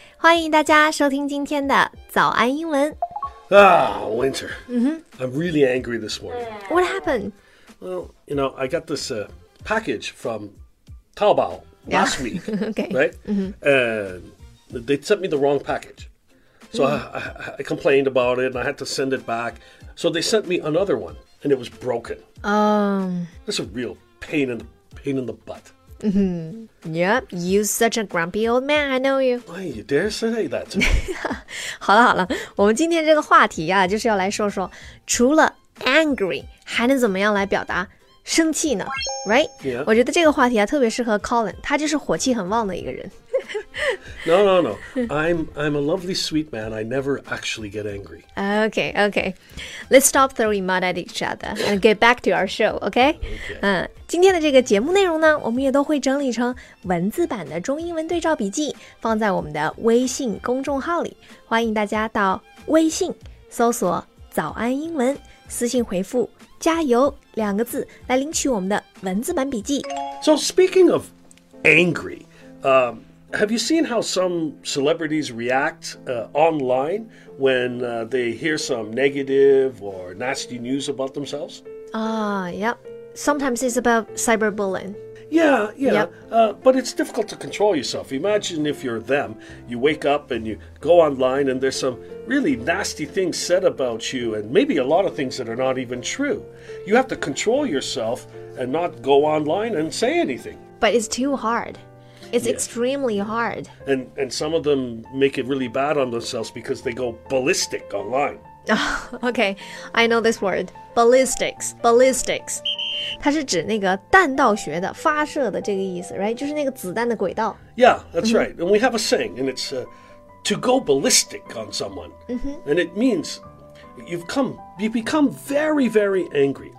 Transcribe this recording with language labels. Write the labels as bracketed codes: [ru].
[zh] 欢迎大家收听今天的早安英文。 [en] Winter. Mm-hmm. I'm really angry this morning. What happened? Well, you know, I got this package from Taobao last week. Okay. Right? Mm-hmm. And they sent me the wrong package. So I complained about it and I had to send it back. So they sent me another one and it was broken. That's a real pain in the butt. Mm-hmm. Yep, you such a grumpy old man, I know you. Why, you dare say that to me? [zh] 好了好了，我们今天这个话题啊，就是要来说说，除了 angry, 还能怎么样来表达生气呢？ [en] Right? Yeah. [zh] 我觉得这个话题啊，特别适合 Colin, 他就是火气很旺的一个人。 [en] No, no, no. I'm a lovely, sweet man. I never actually get angry. Okay, okay. Let's stop throwing mud at each other and get back to our show, okay? Okay. [zh] 今天的这个节目内容呢，我们也都会整理成文字版的中英文对照笔记，放在我们的微信公众号里。欢迎大家到微信搜索早安英文，私信回复加油两个字来领取我们的文字版笔记。 [en] So speaking of angry, have you seen how some celebrities react online when they hear some negative or nasty news about themselves? Yep. Sometimes it's about cyberbullying. Yeah. Yep. But it's difficult to control yourself. Imagine if you're them. You wake up and you go online and there's some really nasty things said about you and maybe a lot of things that are not even true. You have to control yourself and not go online and say anything. But it's too hard. It's extremely hard. And some of them make it really bad on themselves because they go ballistic online. Okay, I know this word. Ballistics. Ballistics. [zh] 它是指那个弹道学的发射的这个意思 right? 就是那个子弹的轨道。 [en] Yeah, that's right. And we have a saying, and it's to go ballistic on someone. Mm-hmm. And it means you've become very, very angry.